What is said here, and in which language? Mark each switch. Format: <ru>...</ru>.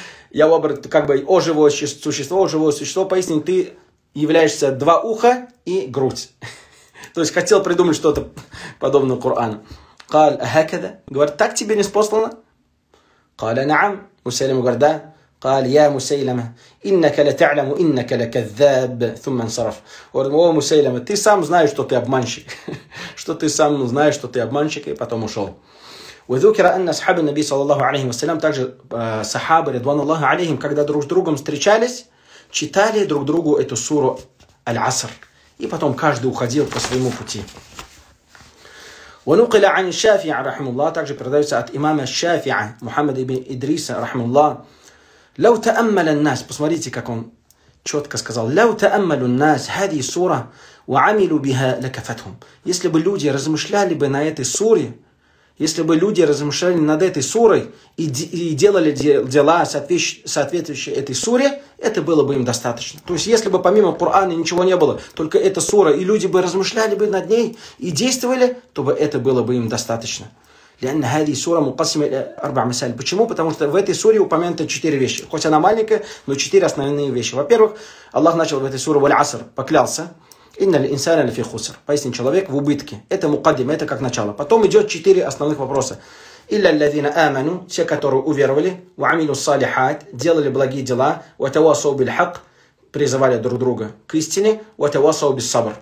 <ru>«Я вабар», как бы, о живое существо, поистине ты являешься два уха и грудь. То есть хотел придумать что-то подобное Корану. «Каль, ахакада», говорит, «так тебе не спослано?» «Каля наам», Мусейлиме говорит, «да».</ru> <ar>قال يا مسيلمة إنك لا تعلم إنك لكذاب ثم انصرف.</ar> <ru>О, Мусейлима, ты сам знаешь, что ты обманщик. И потом ушел.</ru> <ar>وذكر أن أصحاب النبي صلى الله عليه وسلم</ar> <ru>также صحابы</ru> <ar>رضوان الله عليهم,</ar> <ru>когда друг с другом встречались, читали друг другу эту суру Аль-Аср. И потом каждый уходил по своему пути.</ru> <ar>ونقل عن الشافعي رحمه الله</ar> <ru>также передается от имама</ru> <ar>الشافعي محمد ابن إدريس رحمه الله. لو تأمل الناس,</ar> <ru>посмотрите, как он четко сказал,</ru> <ar>لو تأمل الناس هذه السورة وعملوا بها لكفتهم.</ar> <ru>Если бы люди размышляли бы на этой суре, если бы люди размышляли над этой сурой и делали дела соответствующие этой суре, это было бы им достаточно. То есть, если бы помимо Корана ничего не было, только эта сура, и люди бы размышляли бы над ней и действовали, то бы это было бы им достаточно.</ru> <ar>لأن هذه سورة مقسمة إلى أربع مسائل.</ar> <ru>Почему? Потому что в этой суре упомянуты четыре вещи. Хоть она маленькая, но четыре основные вещи. Во-первых, Аллах начал в этой суре «Валь-Аср», поклялся.</ru> <ar>إن الإنسان لفي خسر.</ar> <ru>Поистине, человек в убытке. Это мукаддима, это как начало. Потом идет четыре основных вопроса.</ru> <ar>إلا الذين آمنوا,</ar> <ru>те, которые уверовали,</ru> <ar>وعملوا الصالحات,</ar> <ru>делали благие дела,</ru> <ar>وتواصوا بالحق,</ar> <ru>призывали друг друга к истине,</ru> <ar>وتواصوا بالصبر.</ar>